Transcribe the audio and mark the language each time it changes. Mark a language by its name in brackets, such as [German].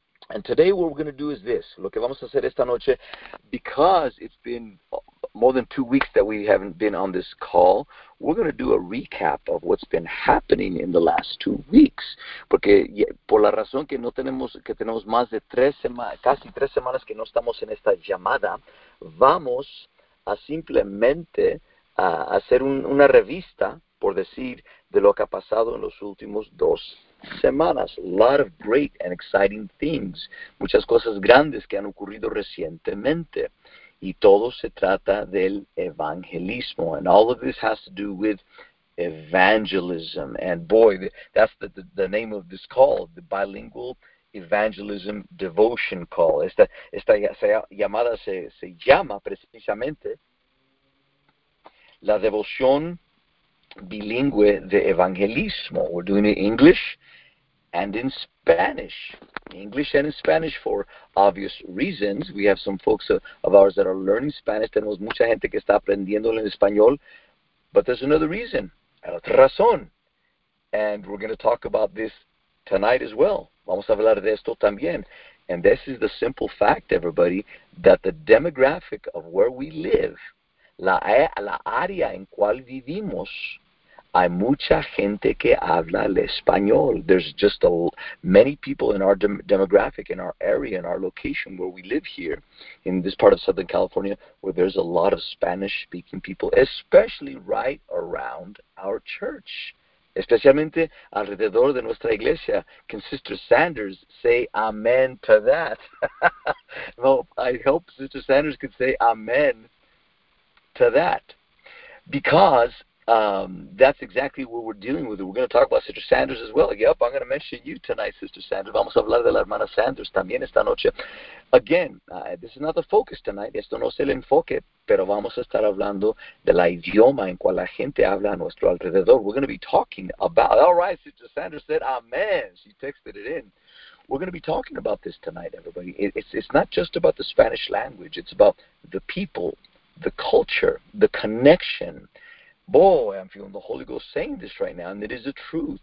[English] And today, what we're going to do is this. [Spanish] Lo que vamos a hacer esta noche, [English] because it's been more than 2 weeks that we haven't been on this call, we're going to do a recap of what's been happening in the last 2 weeks. [Spanish] Porque por la razón que no tenemos, que tenemos más de casi tres semanas que no estamos en esta llamada, vamos a simplemente hacer una revista, por decir, de lo que ha pasado en los últimos 2 semanas. [English] A lot of great and exciting things. [Spanish] Muchas cosas grandes que han ocurrido recientemente. Y todo se trata del evangelismo. [English] And all of this has to do with evangelism. And boy, that's the name of this call, the Bilingual Evangelism Devotion Call. [Spanish] Esta llamada se llama precisamente La Devoción Bilingüe de Evangelismo. [English] We're doing it in English and in Spanish. English and in Spanish for obvious reasons. We have some folks of ours that are learning Spanish. [Spanish] Tenemos mucha gente que está aprendiendo en español. [English] But there's another reason. [Spanish] Hay otra razón. [English] And we're going to talk about this tonight as well. [Spanish] Vamos a hablar de esto también. [English] And this is the simple fact, everybody, that the demographic of where we live, [Spanish] La área en cual vivimos, hay mucha gente que habla el español. [English] There's just many people in our demographic, in our area, in our location where we live here, in this part of Southern California, where there's a lot of Spanish-speaking people, especially right around our church. [Spanish] Especialmente alrededor de nuestra iglesia. [English] Can Sister Sanders say amen to that? Well, I hope Sister Sanders could say amen to that, because that's exactly what we're dealing with. We're going to talk about Sister Sanders as well. Yep, I'm going to mention you tonight, Sister Sanders. [Spanish] Vamos a hablar de la hermana Sanders también esta noche. [English] Again, this is not the focus tonight. [Spanish] Esto no es el enfoque, pero vamos a estar hablando de la idioma en cual la gente habla a nuestro alrededor. [English] We're going to be talking about, all right, Sister Sanders said amen. She texted it in. We're going to be talking about this tonight, everybody. It's not just about the Spanish language. It's about the people, the culture, the connection. Boy, I'm feeling the Holy Ghost saying this right now, and it is the truth.